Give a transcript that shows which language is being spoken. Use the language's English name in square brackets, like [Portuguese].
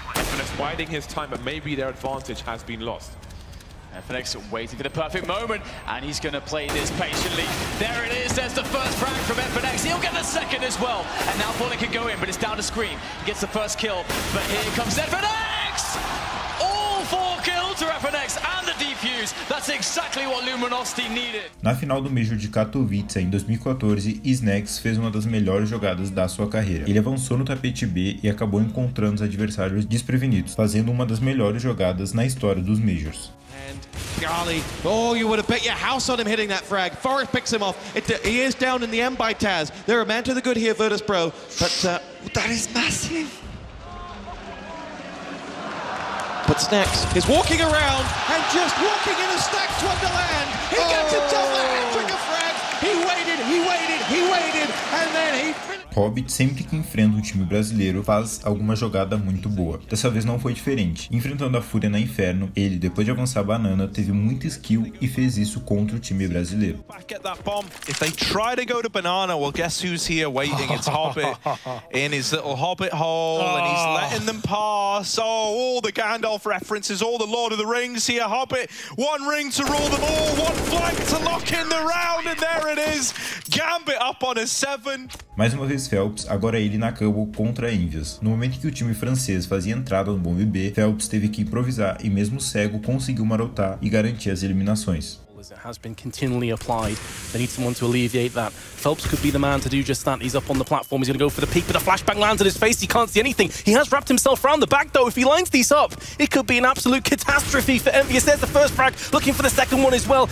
[English] FNX biding his time, but maybe their advantage has been lost. FNX waiting for the perfect moment, and he's going to play this patiently. There it is, there's the first frag from FNX. He'll get the second as well. And now Fallen can go in, but it's down to Scream. He gets the first kill, but here comes FNX! All four kills to FNX and the defuse. That's exactly what Luminosity needed. [Portuguese] Na final do Major de Katowice em 2014, Snacks fez uma das melhores jogadas da sua carreira. Ele avançou no tapete B e acabou encontrando os adversários desprevenidos, fazendo uma das melhores jogadas na história dos Majors. [English] Golly, oh, you would have bet your house on him hitting that frag. Forrest picks him off. He is down in the end by Taz. They're a man to the good here, Virtus Pro. But that is massive. But Snacks is walking around and just walking in a Snacks Wonderland. He gets a double hat-trick of frags. He waited, and then he... [Portuguese] Hobbit, sempre que enfrenta um time brasileiro, faz alguma jogada muito boa. Dessa vez não foi diferente. Enfrentando a Fúria na Inferno, ele, depois de avançar a banana, teve muita skill e fez isso contra o time brasileiro. [English] If they try to go to banana, well, guess who's here waiting? It's Hobbit in his little Hobbit hole, and he's letting them pass. Oh, all the Gandalf references, all the Lord of the Rings here. Hobbit, one ring to rule them all, one flank to lock in the round, and there it is. Gambit up on a 7. [Portuguese] Mais uma vez Felps, agora ele na campo contra Envious. No momento que o time francês fazia entrada no bombe B, Felps teve que improvisar e mesmo cego conseguiu marotar e garantir as eliminações. [English] It has been continually applied. They need someone to alleviate that. Phelps could be the man to do just that. He's up on the platform. He's going to go for the peek, but a flashbang lands on his face. He can't see anything. He has wrapped himself around the back, though. If he lines these up, it could be an absolute catastrophe for Envious. There's the first frag, looking for the second one as well.